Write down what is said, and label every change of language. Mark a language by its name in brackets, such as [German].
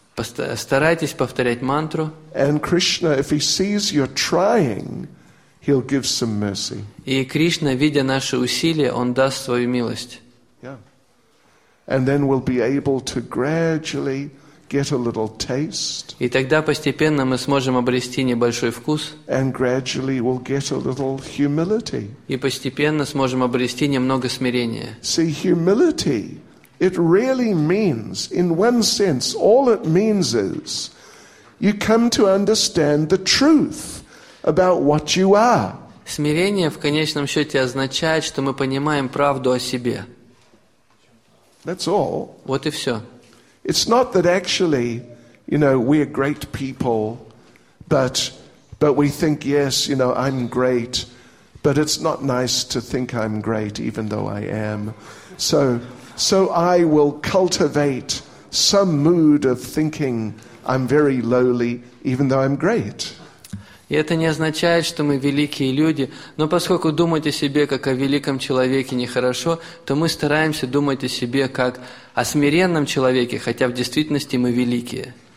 [Russian] Старайтесь повторять мантру. [English] And Krishna, if he sees you're trying, he'll give some mercy. [Russian] И Кришна, видя наши усилия, он даст свою милость. [English] Yeah. And then we'll be able to gradually get a little taste. [Russian] И тогда постепенно мы сможем обрести небольшой вкус. [English] And gradually we'll get a little humility. [Russian] И постепенно сможем обрести немного смирения. [English] See, humility, it really means, in one sense, all it means is you come to understand the truth about what you are. [Russian] Смирение в конечном счете означает, что мы понимаем правду о себе. [English] That's all. [Russian] Вот и все. [English] It's not that actually, you know, we're great people, but we think, yes, you know, I'm great, but it's not nice to think I'm great, even though I am. So I will cultivate some mood of thinking I'm very lowly, even though I'm great. [Russian] И это не означает, что мы великие люди, но поскольку думать о себе как о великом человеке нехорошо, то мы стараемся думать о себе как о смиренном человеке, хотя в действительности мы великие.